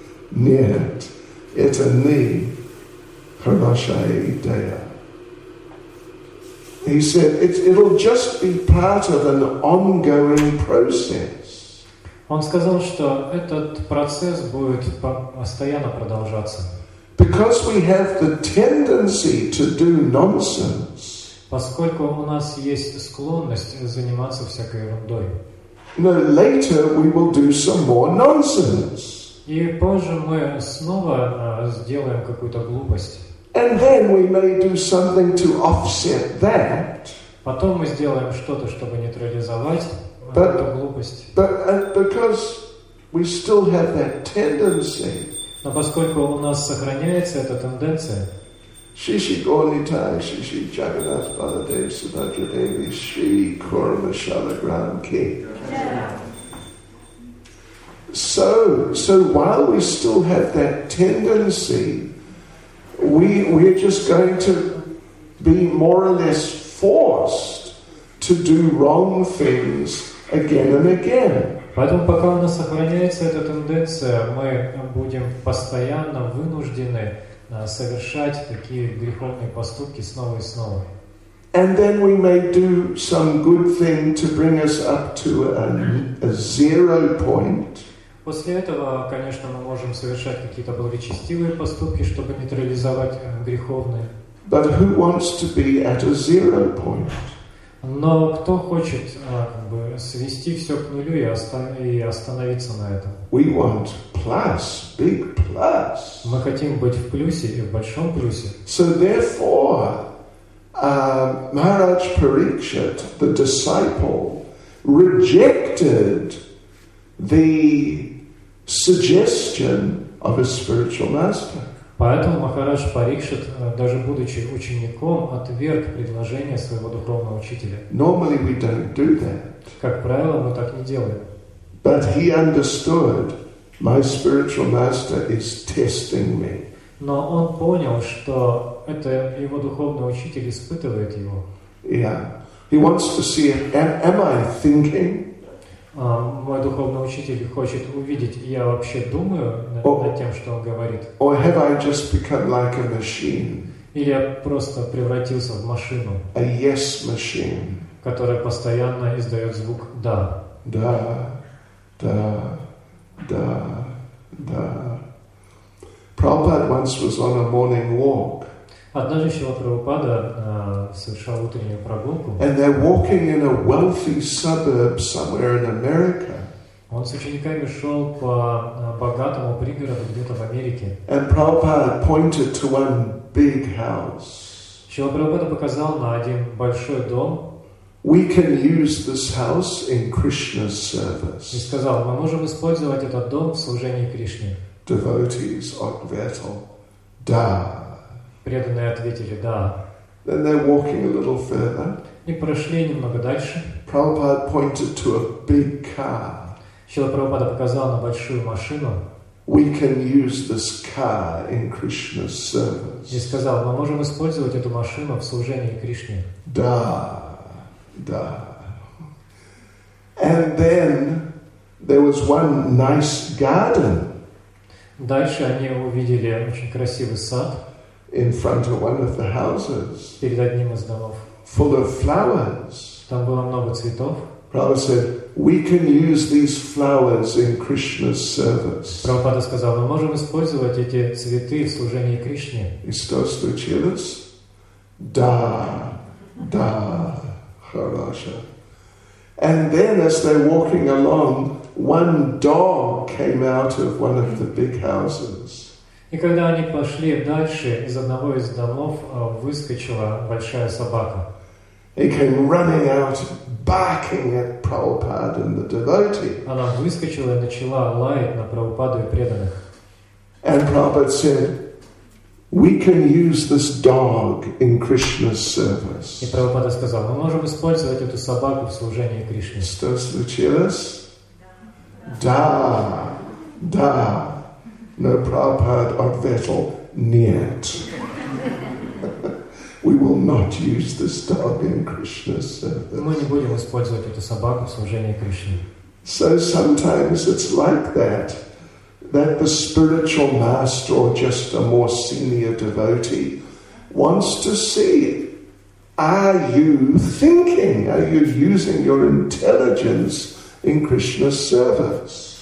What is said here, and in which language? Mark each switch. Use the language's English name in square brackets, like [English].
[Russian] Нет, это не хорошая идея. [English] He said, it'll just be part of an ongoing process. [Russian] Он сказал, что этот процесс будет постоянно продолжаться. [English] Because we have the tendency to do nonsense. [Russian] Поскольку у нас есть склонность заниматься всякой ерундой. [English] No, later we will do some more nonsense. [Russian] И позже мы снова сделаем какую-то глупость. [English] And then we may do something to offset that. [Russian] Потом мы сделаем что-то, чтобы нейтрализовать эту глупость. [English] But because we still have that tendency. [Russian] Но поскольку у нас сохраняется эта тенденция. [Sanskrit] Шиши Горнитай, Шиши Джаганат Баладев Субхаджа Деви, Шри Курма Шалаграм Ки. [English] So while we still have that tendency, we're just going to be more or less forced to do wrong things again and again. [Russian] Поэтому пока у нас сохраняется эта тенденция, мы будем постоянно вынуждены совершать такие греховные поступки снова и снова. [English] And then we may do some good thing to bring us up to a zero point. [Russian] После этого, конечно, мы можем совершать какие-то благочестивые поступки, чтобы нейтрализовать греховные. [English] But who wants to be at a zero point? [Russian] Но кто хочет как бы свести все к нулю и остановиться на этом? [English] We want plus, big plus. [Russian] Мы хотим быть в плюсе и в большом плюсе. [English] So therefore, Maharaj Parikshit, the disciple, rejected the suggestion of his spiritual master. [Russian] Поэтому Махарадж Парикшит, даже будучи учеником, отверг предложение своего духовного учителя. [English] Normally we don't do that. [Russian] Как правило, мы так не делаем. [English] But he understood, my spiritual master is testing me. [Russian] Но он понял, что это его духовный учитель испытывает его. [English] Yeah. He wants to see, am I thinking? [Russian] Мой духовный учитель хочет увидеть, я вообще думаю над тем, что он говорит. [English] Or have I just become like a machine? [Russian] Или я просто превратился в машину, [English] a yes machine, [Russian] которая постоянно издает звук «да». Да, да, да, да. [English] Prabhupada once was on a morning walk. [Russian] Однажды Шрила Прабхупада совершал утреннюю прогулку. [English] And they're walking in a wealthy suburb somewhere in America. [Russian] Он с учениками шел по богатому пригороду где-то в Америке. [English] And Prabhupada pointed to one big house. [Russian] Шрила Прабхупада показал на один большой дом. [English] We can use this house in Krishna's service. [Russian] И сказал, мы можем использовать этот дом в служении Кришне. Devotees ответили, да. Преданные ответили, да. [English] Then they're walking a little further. [Russian] И прошли немного дальше. [English] Prabhupada pointed to a big car. [Russian] Шрила Прабхупада показал на большую машину. [English] We can use this car in Krishna's service. [Russian] И сказал, мы можем использовать эту машину в служении Кришне. Да, да. [English] And then there was one nice garden. [Russian] Дальше они увидели очень красивый сад [English] in front of one of the houses, [Russian] перед одним из домов, [English] full of flowers. [Russian] Там было много цветов. [English] Prabhupada said, we can use these flowers in Krishna's service. [Russian] Прабхупада сказал, мы можем использовать эти цветы в служении Кришне. И что случилось? Да, да, хорошо. [English] And then as they're walking along, one dog came out of one of the big houses. [Russian] И когда они пошли дальше, из одного из домов выскочила большая собака. [English] He came running out, barking at Prabhupada and the devotee. [Russian] Она выскочила и начала лаять на Прабхупаду и преданных. [English] And Prabhupada said, we can use this dog in Krishna's service. [Russian] И Прабхупада сказал, мы можем использовать эту собаку в служении Кришне. Что случилось? Да, да, no Prabhupada advetal, нет. [English] We will not use this dog in Krishna's service. [Russian] Мы не будем использовать эту собаку в служении Кришне. [English] So sometimes it's like that, that the spiritual master or just a more senior devotee wants to see, are you thinking, are you using your intelligence in Krishna's service?